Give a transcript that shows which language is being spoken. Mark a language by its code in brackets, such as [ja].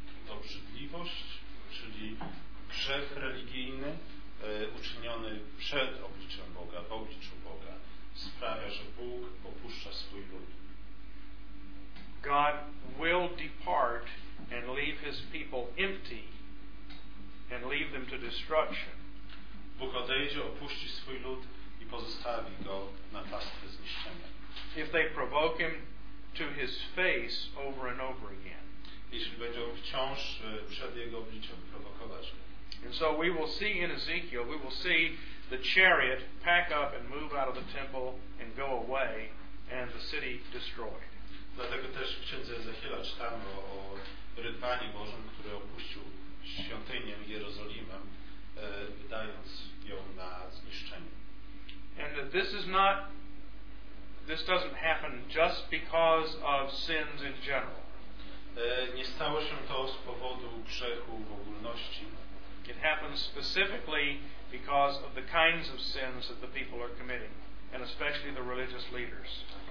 [pl] Obrzydliwość, czyli grzech religijny uczyniony przed obliczem Boga, w obliczu Boga, sprawia, że Bóg opuszcza swój lud. [en] God will depart and leave his people empty and leave them to destruction. [pl] Bóg odejdzie, opuści swój lud i pozostawi go na pastwę zniszczenia. [en] If they provoke him to his face over and over again. [pl] Jeśli będzie on wciąż przed jego obliczem prowokować. [en] And so we will see in Ezekiel, we will see the chariot pack up and move out of the temple and go away and the city destroyed. [pl] Dlatego też w księdze Ezechiela czytamy o rydwanie Bożym, który opuścił świątynię Jerozolimę, wydając ją na zniszczenie. [en] And that this doesn't happen just because of sins in general. [pl] Nie stało się to z powodu grzechu w ogólności. [en] It happens specifically because of the kinds of sins that the people are committing, and especially the religious leaders.